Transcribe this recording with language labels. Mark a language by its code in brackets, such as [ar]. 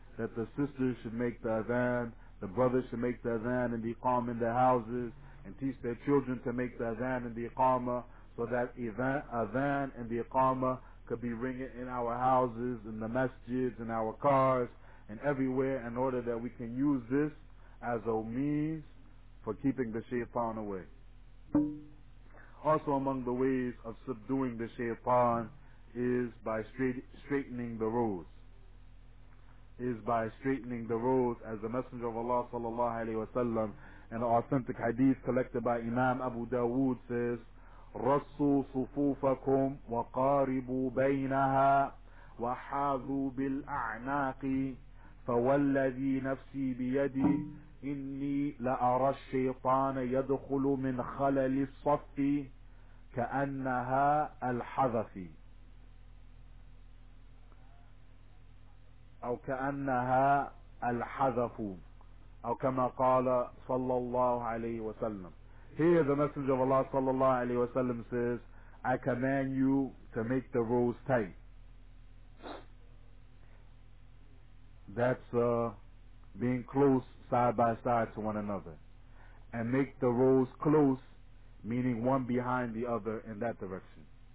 [en] that the sisters should make the adhan, the brothers should make the adhan and the iqama in their houses, and teach their children to make the adhan and the iqama, so that adhan and the iqama could be ringing in our houses, in the masjids, in our cars, and everywhere, in order that we can use this as a means for keeping the shaytan away. Also, among the ways of subduing the shaytan is by straightening the roads. Is by straightening the roads, as the Messenger of Allah sallallahu alayhi wa sallam, an authentic hadith collected by Imam Abu Dawood, says, [ar] رَصُّوا صُفُوفَكُمْ وَقَارِبُوا بَيْنَهَا وَحَاذُوا بِالْأَعْنَاقِ فَوَالَّذِي نَفْسِي بِيَدِي إِنِّي لَأَرَى الشَّيْطَانَ يَدْخُلُ مِنْ خَلَلِ الصَّفِّ كَأَنَّهَا الْحَذَفِ أو كَأَنَّهَا الْحَذَفُ أو كما قال صلى الله عليه وسلم. [en] Here the Messenger of Allah sallallahu alayhi wa sallam says, I command you to make the roads tight. That's being close side by side to one another. And make the roads close, meaning one behind the other in that direction.